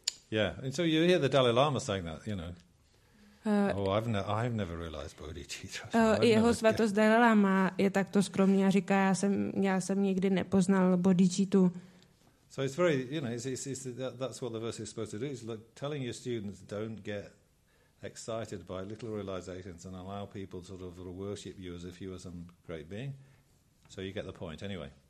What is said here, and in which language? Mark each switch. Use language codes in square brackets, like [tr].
[en] Yeah, and so you hear the Dalai Lama saying that, you know. I've never realized bodhicitta. [cs] Jeho svatost Dalai Lama je takto skromný a říká, já jsem nikdy nepoznal bodhicittu. [en] So it's very, you know, that's what the verse is supposed to do. It's like telling your students, don't get excited by little realizations and allow people sort of to worship you as if you were some great being. So you get the point anyway.